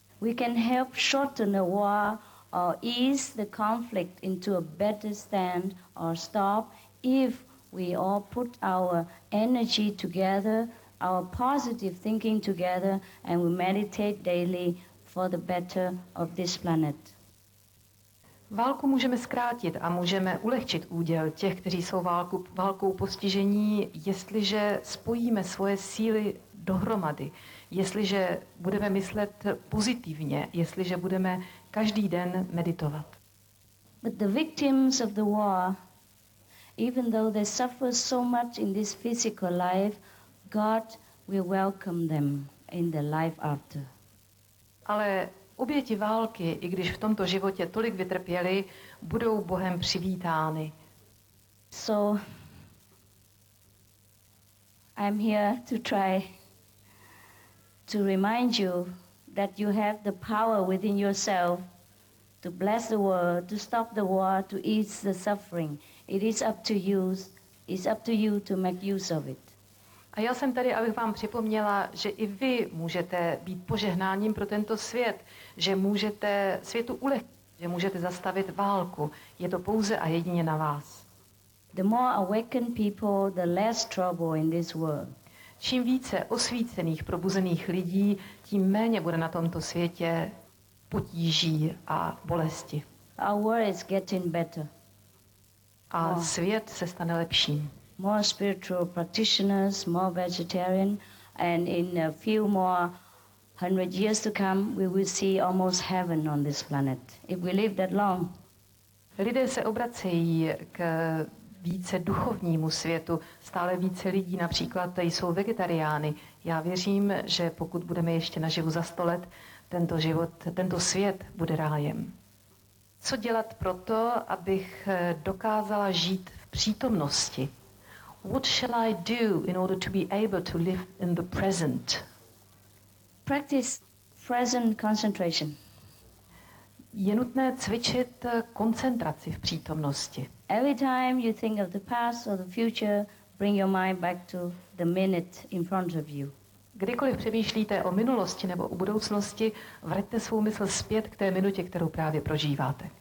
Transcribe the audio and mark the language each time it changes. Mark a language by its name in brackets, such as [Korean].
[English] We can help shorten the war or ease the conflict into a better stand or stop if we all put our energy together, our positive thinking together, and we meditate daily for the better of this planet. [Czech] Válku můžeme zkrátit a můžeme ulehčit úděl těch, kteří jsou válkou postižení, jestliže spojíme svoje síly dohromady, jestliže budeme myslet pozitivně, jestliže budeme každý den meditovat. [English] But the victims of the war, even though they suffer so much in this physical life, God will welcome them in the life after. [Czech] Ale oběti války, i když v tomto životě tolik vytrpěli, budou Bohem přivítány. [English] So I'm here to try to remind you that you have the power within yourself to bless the world, to stop the war, to ease the suffering. It is up to you. It's up to you to make use of it. [Czech] A já jsem tady, abych vám připomněla, že i vy můžete být požehnáním pro tento svět, že můžete světu ulehčit, že můžete zastavit válku. Je to pouze a jedině na vás. [English] The more awakened people, the less trouble in this world. [Czech] Čím více osvícených, probuzených lidí, tím méně bude na tomto světě potíží a bolesti. [English] Our world is getting better. [Czech] A svět se stane lepším. [English] More spiritual practitioners, more vegetarian, and in a few more hundred years to come, we will see almost heaven on this planet. If we live that long. [Czech] Lidé se obracejí k více duchovnímu světu. Stále více lidí například jsou vegetariány. Já věřím, že pokud budeme ještě naživu za 100 let, tento život, tento svět bude rájem. Co dělat pro to, abych dokázala žít v přítomnosti? [English] What shall I do in order to be able to live in the present? Practice present concentration. [Czech] Je nutné cvičit koncentraci v přítomnosti. [English] Every time you think of the past or the future, bring your mind back to the minute in front of you. [Czech] Kdykoliv přemýšlíte o minulosti nebo o budoucnosti, vraťte svou mysl zpět k té minutě, kterou právě prožíváte.